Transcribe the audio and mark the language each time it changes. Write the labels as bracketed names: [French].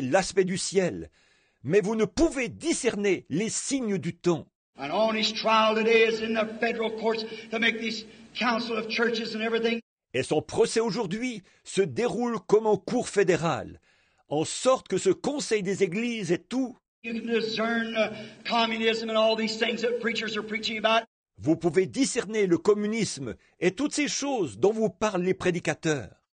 [French] l'aspect du ciel, mais vous ne pouvez discerner les signes du temps. [English] And on his trial today is in the federal courts to make this council of churches and everything. [French] Et son procès aujourd'hui se déroule comme en cour fédérale, en sorte que ce conseil des églises est tout. [English] You can discern communism and all these things that preachers are preaching about. [French] Vous pouvez discerner le communisme et toutes ces choses dont vous parlent les prédicateurs.